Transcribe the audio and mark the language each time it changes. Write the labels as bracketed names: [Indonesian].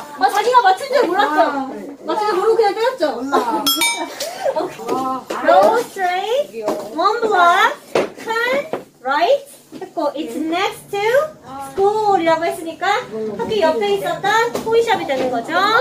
[Korean] 아, 자기가 맞힌 줄 몰랐어. 맞힌 줄 모르고 그냥 때렸죠? 몰라. [English] Go straight, one block, turn right. [Korean] 했고, [English] it's next to school [Korean] 이라고 했으니까 학교 옆에 있었던 토이샵이 되는 거죠.